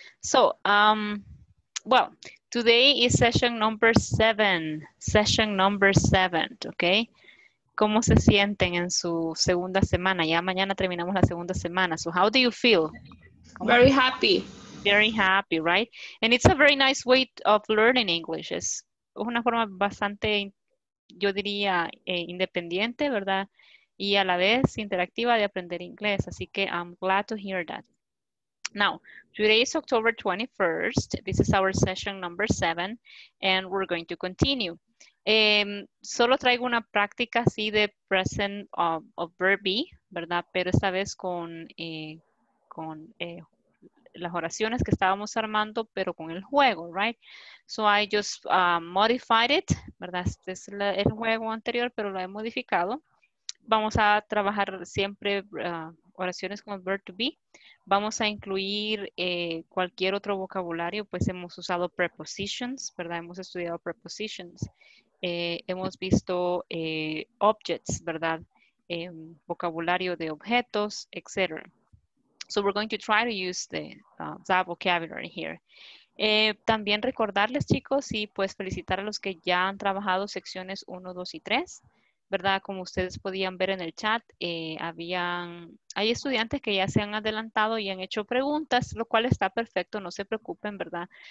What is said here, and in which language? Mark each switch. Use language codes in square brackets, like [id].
[en] So, well, today is session number 7. Session number 7. Okay. [es] ¿Cómo se sienten en su segunda semana? Ya mañana terminamos la segunda semana. [en] So, how do you feel? Very happy. Very happy, right? And it's a very nice way of learning English. [es] Es una forma bastante, yo diría, independiente, ¿verdad? Y a la vez interactiva de aprender inglés. Así que [en] I'm glad to hear that. Now, today is October 21st. This is our session number 7. And we're going to continue. [es] Solo traigo una práctica así de present of verb be, ¿verdad? Pero esta vez con las oraciones que estábamos armando, pero con el juego, right? [en] So I just modified it, [es] ¿verdad? Este es el juego anterior, pero lo he modificado. Vamos a trabajar siempre oraciones con el verb to be. Vamos a incluir cualquier otro vocabulario, pues hemos usado prepositions, ¿verdad? Hemos estudiado prepositions. Hemos visto objects, ¿verdad? Vocabulario de objetos, etc. [en] So we're going to try to use the that vocabulary here. [es] También recordarles, chicos, y pues felicitar a los que ya han trabajado secciones 1, 2 y 3. ¿Verdad? Como ustedes podían ver en el chat, hay estudiantes que ya se han adelantado y han hecho preguntas, lo cual está perfecto, no se preocupen, ¿verdad?